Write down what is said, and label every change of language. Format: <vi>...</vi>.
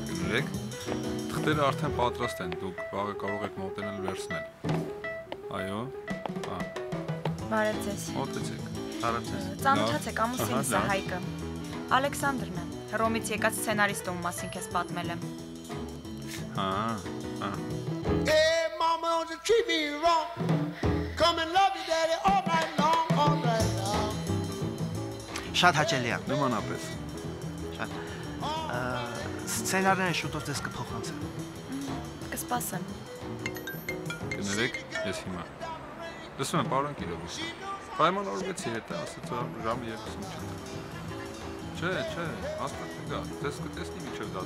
<hy>Արդեն պատրաստ են, դուք բաղը կարող եք մոտենել վերցնել։ Այո, հա։ Բարև ձեզ։ Մոտեցեք, բարև ձեզ։ Ծանոթացեք, ամուսինս է Հայկը, Ալեքսանդրն է, Հռոմից եկած սցենարիստ ու մասին քեզ պատմել եմ։ Հա, հա։</hy> <en>Hey mama, don't you treat me wrong, come and love you daddy all night long, all night long.</en> <hy>Շատ հաճելի է։ Նմանապես։ Շատ։ Սցենարները շուտով ձեզ կփոխանցեմ։ Կսպասեմ։ Գներեք, ես հիմա։ Լսում եմ, պարոն Կիրովուս։ Պայմանավորվեցի հետը, ասացա ժամը 2-ին չէ։ Չէ, չէ, հաստատ գա։ Ձեզ կտեսնի միջով դա։</hy>